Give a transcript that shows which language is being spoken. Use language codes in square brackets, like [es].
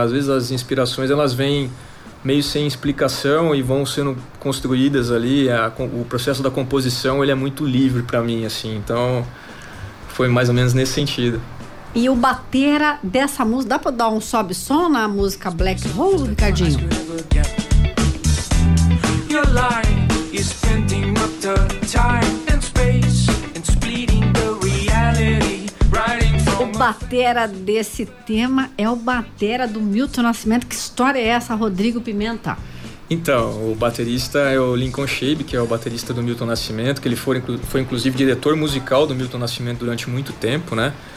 [pt] Às vezes as inspirações, elas vêm meio sem explicação e vão sendo construídas ali. O processo da composição, ele é muito livre para mim, assim. Então foi mais ou menos nesse sentido. E o batera dessa música, dá para dar um sobe som na música Black Hole, Ricardinho? [en] Your life is spending up the time and space and splitting the reality. [pt] O batera desse tema é o batera do Milton Nascimento. Que história é essa, Rodrigo Pimenta? Então, o baterista é o Lincoln Shabe, que é o baterista do Milton Nascimento, que ele foi inclusive diretor musical do Milton Nascimento durante muito tempo, né?